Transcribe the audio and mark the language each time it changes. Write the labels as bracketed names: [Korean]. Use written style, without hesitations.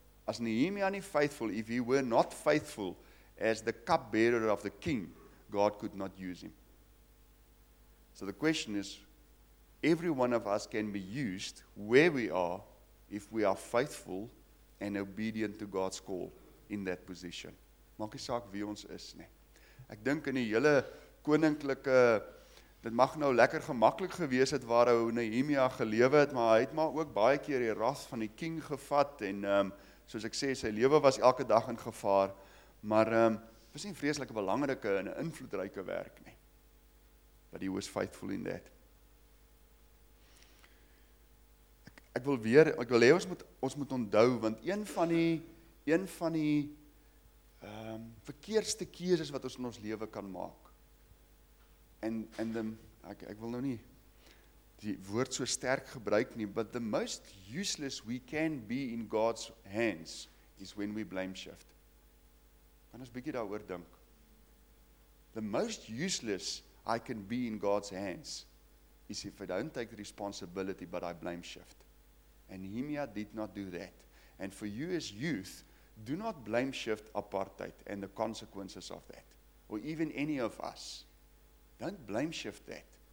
[Afrikaans] As Nehemia nie [English] faithful, if he were not faithful as the cupbearer of the king, God could not use him. So the question is, every one of us can be used where we are if we are faithful and obedient to God's call in that position. [Afrikaans] Maak nie saak wie ons is nie. Ek dink in die hele koninklike, dit mag nou lekker gemaklik gewees het waar hy Nehemia gelewe het, maar hy het maar ook baie keer die ras van die king gevat en soos ek sê, sy lewe was elke dag in gevaar, maar was nie vreeslike belangrike en invloedryke werk nie. [English] But he was faithful in that. [Afrikaans] Ek wil hê ons moet onthou, want een van die verkeerste keuses wat ons in ons lewe kan maak. Ek wil nou nie die woord so sterk gebruik nie, [English] but the most useless we can be in God's hands is when we blame shift. [Afrikaans] Kan ons bietjie daaroor dink? [English] The most useless I can be in God's hands is if I don't take the responsibility but I blame shift. And Nehemia did not do that. And for you as youth, do not blame shift apartheid and the consequences of that. Or even any of us. Don't blame shift that.